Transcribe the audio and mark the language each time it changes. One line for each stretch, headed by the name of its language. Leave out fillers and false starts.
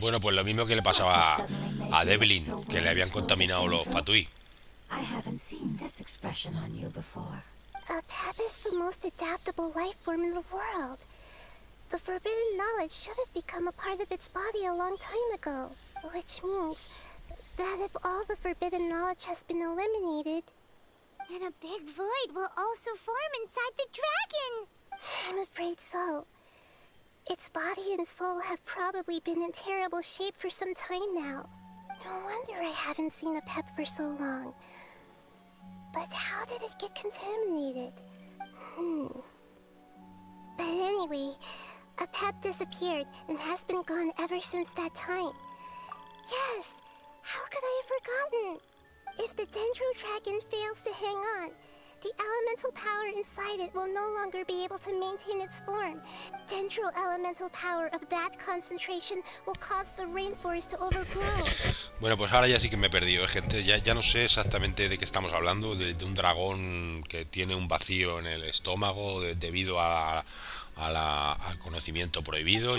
Spanish: Bueno, pues lo mismo que le pasaba a Develin, que le habían contaminado los Fatui.
English: I haven't seen this expression on you before. A pep is the most adaptable life form in the world. The forbidden knowledge should have become a part of its body a long time ago. Which means that if all the forbidden knowledge has been eliminated, then a big void will also form inside the dragon. I'm afraid so. Its body and soul have probably been in terrible shape for some time now. No wonder I haven't seen a pep for so long. But how did it get contaminated? But anyway, a pep disappeared and has been gone ever since that time. Yes, how could I have forgotten? If the Dendrodragon fails to hang on, the elemental power inside it will no longer be able to maintain its form. Dendro elemental power of that concentration will cause the rainforest to overgrow.
Spanish: Bueno, pues ahora ya sí que me he perdido, gente. Ya no sé exactamente de qué estamos hablando. De un dragón que tiene un vacío en el estómago debido al conocimiento prohibido.